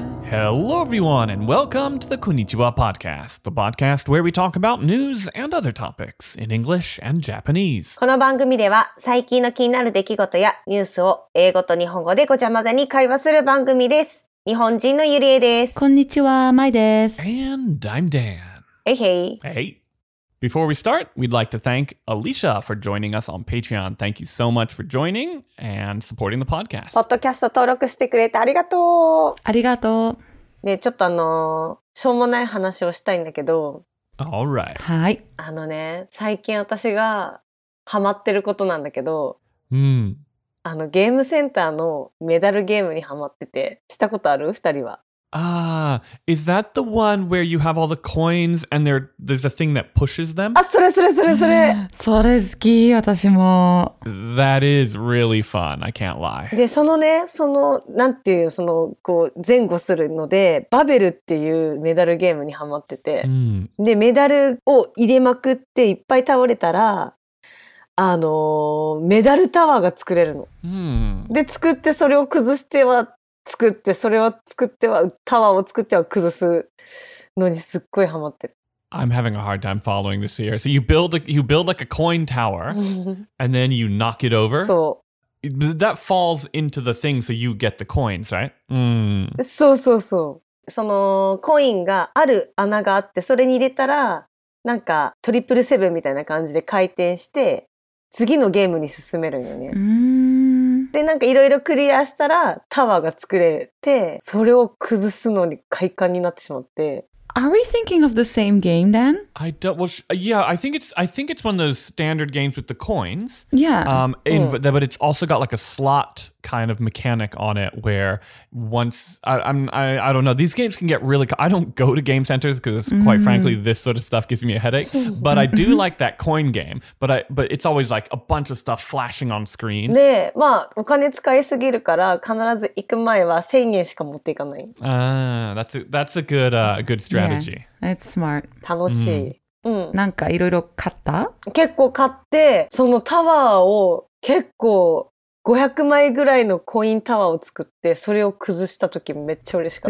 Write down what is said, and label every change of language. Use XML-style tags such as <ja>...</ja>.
<en>Hello everyone and welcome to the こんにちは podcast, the podcast where we talk about news and other topics in English and Japanese.</en> <ja>この番組では最近の気になる出来事やニュースを英語と日本語でごちゃ混ぜに会話する番組です。日本人のゆりえです。こんにちは、まいです。</ja> <en>And I'm Dan. Hey, hey. Hey. Before we start, we'd like to thank Alicia for joining us on Patreon. Thank you so much for joining and supporting the podcast.</en> <ja>ポッドキャスト登録してくれてありがとう。ありがとう。ね、ちょっとしょうもない話をしたいんだけど。</ja> <en>All right.</en> <ja>はい。ね、最近私がハマってることなんだけど。うん。ゲームセンターのメダルゲームにハマってて、したことある？二人は。</ja> <en>Is that the one where you have all the coins and there's a thing that pushes them?</en> <ja>あ、それそれそれそれ。それ好き、私も。</ja> <en>That is really fun, I can't lie.</en> <ja>で、そのね、その、なんていう、その、こう、前後するので、バベルっていうメダルゲームにハマってて、 mm. で、メダルを入れまくっていっぱい倒れたら、メダルタワーが作れるの。 Hmm. で、作って、それを崩しては作って、それを作っては、タワーを作っては崩すのにすっごいハマってる。</ja> <en>I'm having a hard time following this here. So you build like a coin tower, and then you knock it over.</en> <ja>そう。</ja> <en>That falls into the thing, so you get the coins, right? Hmm.</en> <ja>そうそうそう。その、コインがある穴があって、それに入れたら、なんか、トリプルセブンみたいな感じで回転して、次のゲームに進めるよね。で、なんかいろいろクリアしたらタワーが作れて、それを崩すのに快感になってしまって。</ja> <en>Are we thinking of the same game then? I don't, well, yeah, I think it's one of those standard games with the coins. Yeah. But it's also got like a slot kind of mechanic on it where once, I don't know, these games can get really, I don't go to game centers because mm-hmm. quite frankly, this sort of stuff gives me a headache. But I do like that coin game, but it's always like a bunch of stuff flashing on screen.</en> <ja>で、まあ、お金使いすぎるから必ず行く前は1000円しか持っていかない。</ja> <en>That's a good strategy. Yeah, it's smart.</en> <ja>楽しい。うん。なんかいろいろ買った？結構買って、そのタワーを結構500枚ぐらいのコインタワーを作って、それを崩した時めっちゃ嬉しかった。</ja>